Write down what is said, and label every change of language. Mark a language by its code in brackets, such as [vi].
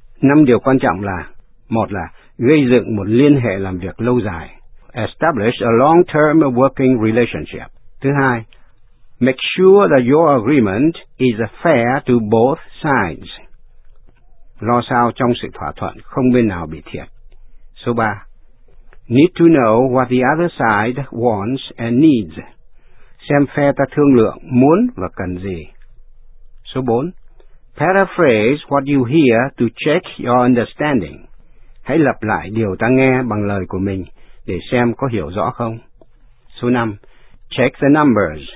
[vi] Năm điều quan trọng là, một là gây dựng một liên hệ làm việc lâu dài, [en] establish a long-term working relationship, [vi] thứ hai, [en] make sure that your agreement is fair to both sides. [vi] Lo sao trong sự thỏa thuận không bên nào bị thiệt. Số 3. [en] Need to know what the other side wants and needs. [vi] Xem phe ta thương lượng muốn và cần gì. Số 4. [en] Paraphrase what you hear to check your understanding. [vi] Hãy lặp lại điều ta nghe bằng lời của mình để xem có hiểu rõ không. Số 5. [en] Check the numbers.